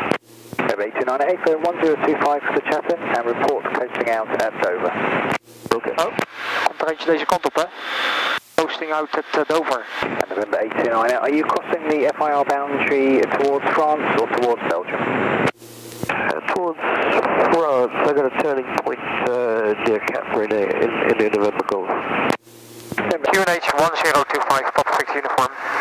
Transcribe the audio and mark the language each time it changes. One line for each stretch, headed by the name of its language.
English: 1025 for the Chatham, and report coasting out at Dover.
Dutch: Okay. Oh, komt er eentje deze kant op, hè?
English: Coasting out at Dover. And November 89, are you crossing the FIR boundary towards France or towards Belgium? Towards France. I got a turning point near Cap René in the November Gulf. QNH 1025, Papa Victor Uniform.